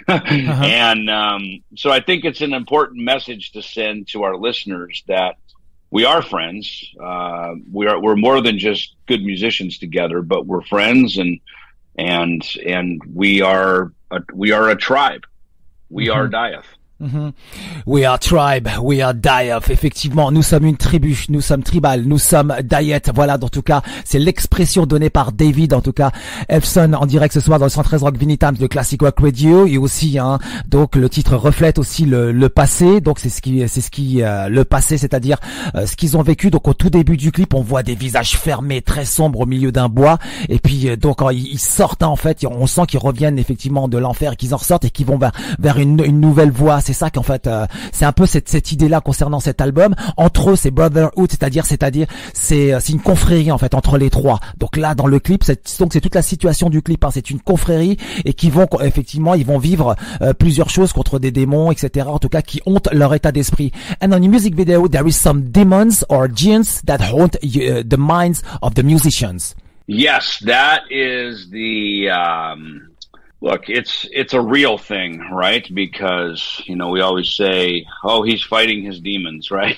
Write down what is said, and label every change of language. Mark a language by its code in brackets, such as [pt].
[en] And so I think it's an important message to send to our listeners that we are friends. We're more than just good musicians together, but we're friends, and we are a tribe. We are Dieth. We are tribe, we are Dieth. [fr] Effectivement, nous sommes une tribu, nous sommes tribal, nous sommes Dieth. Voilà, en tout cas, c'est l'expression donnée par David, en tout cas, Ellefson, en direct ce soir dans le 113 Rock Vinylestimes, le Classic Rock Radio. Et aussi, hein, donc, le titre reflète aussi le passé. Donc, le passé, c'est-à-dire, ce qu'ils ont vécu. Donc, au tout début du clip, on voit des visages fermés, très sombres au milieu d'un bois. Et puis, donc, ils sortent, hein, en fait, on sent qu'ils reviennent effectivement de l'enfer et qu'ils en ressortent et qu'ils vont vers une nouvelle voie. C'est ça qu'en fait, c'est un peu cette idée-là concernant cet album. Entre eux, c'est Brotherhood, c'est une confrérie en fait entre les trois. Donc là, dans le clip, c'est toute la situation du clip. Hein, c'est une confrérie et qui vont effectivement, ils vont vivre plusieurs choses contre des démons, etc. En tout cas, qui hantent leur état d'esprit. [en] And on the music video, there is some demons or giants that haunt the minds of the musicians. Yes, that is the. Look, it's a real thing, right? Because, you know, we always say, oh, he's fighting his demons, right?